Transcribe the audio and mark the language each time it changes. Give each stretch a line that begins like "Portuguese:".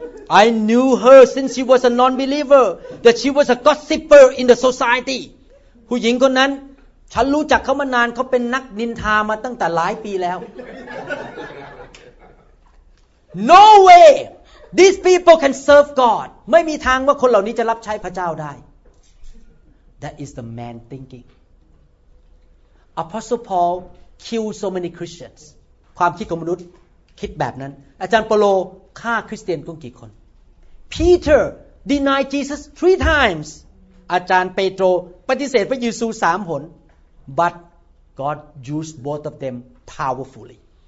English: I knew her since she was a non-believer. That she was a gossiper in the society.
Thai: ผู้หญิงคนนั้นฉันรู้จักเขามานานเขาเป็นนักนินทามาตั้งแต่หลายปีแล้ว
English: No way. These people can serve God.
Thai: ไม่มีทางว่าคนเหล่านี้จะรับใช้พระเจ้าได้
English: That is the man thinking. Apostle Paul killed so many Christians.
Thai: ความคิดของมนุษย์คิดแบบนั้น อาจารย์เปาโลฆ่าคริสเตียนกี่คน
English: Peter denied Jesus 3 times.
Thai: อาจารย์เปโตรปฏิเสธพระเยซู3 หน
English: But God used both of them powerfully.